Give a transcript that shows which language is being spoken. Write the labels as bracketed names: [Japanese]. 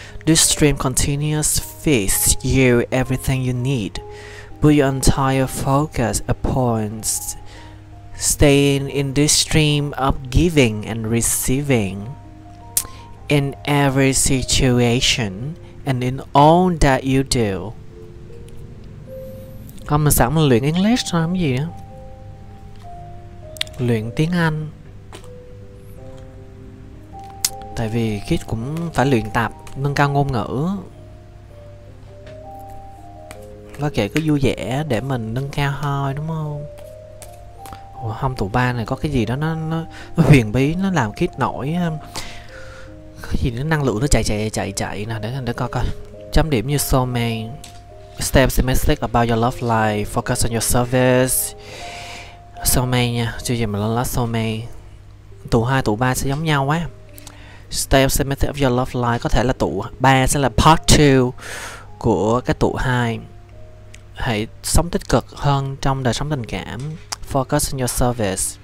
[English] This stream continuous feeds you everything you need. Put your entire focus upon staying in this stream of giving and receiving in every situation and in all that you do. [Vietnamese] Không, mình sẵn luyện English thôi, không gì á. Luyện tiếng Anh. Tại vì Kiss cũng phải luyện tập, nâng cao ngôn ngữ. Và kể cứ vui vẻ để mình nâng cao thôi, đúng không? Ủa không, tụi ba này có cái gì đó nó huyền bí, nó làm Kiss nổi. Cái gì nó năng lượng nó chạy nè, để coi. Chấm điểm như soulmate. [English] Stay optimistic about your love life, focus on your service. [Vietnamese] Soulmate nha, chứ gì mà lên lá soulmate. Tụi hai tụi ba sẽ giống nhau quá. [English] Stay optimistic about your love life, [Vietnamese] có thể là tụi ba sẽ là part 2 của cái tụi hai. Hãy sống tích cực hơn trong đời sống tình cảm. [English] Focus on your service.